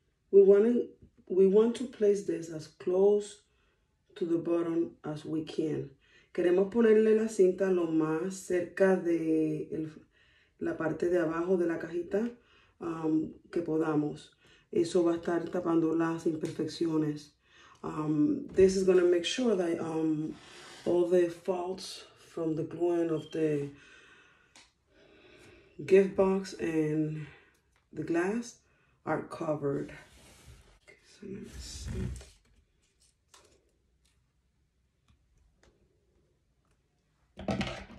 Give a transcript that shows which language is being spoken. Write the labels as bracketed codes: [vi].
[en] We want to place this as close to the bottom as we can. [es] Queremos ponerle la cinta lo más cerca de la parte de abajo de la cajita que podamos. Eso va a estar tapando las imperfecciones. [en] This is going to make sure that all the faults from the gluing of the gift box and the glass are covered. Okay, so let me see.